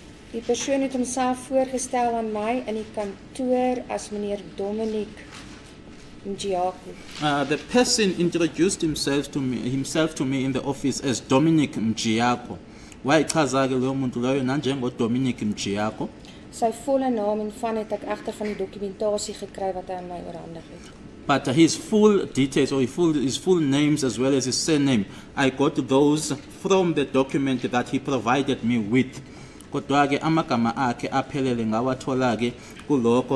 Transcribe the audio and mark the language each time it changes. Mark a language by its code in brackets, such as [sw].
[af] Die persoon het homself voorgestel aan my in die kantoor as meneer Dominic Mjiaku. [en] The person introduced himself to me in the office as Dominic Mjiaku. [zu] Why chaza ke lo muntu loyo nanjengo Dominic Mjiaku? [af] Sy volle naam en van het ek agter van die dokumentasie gekry wat hy aan my oorhandig het. [en] But his full details or his full names as well as his surname, I got those from the document that he provided me with. [zu] Kodwa ke amagama akhe aphelele ngawathola ke kuloko.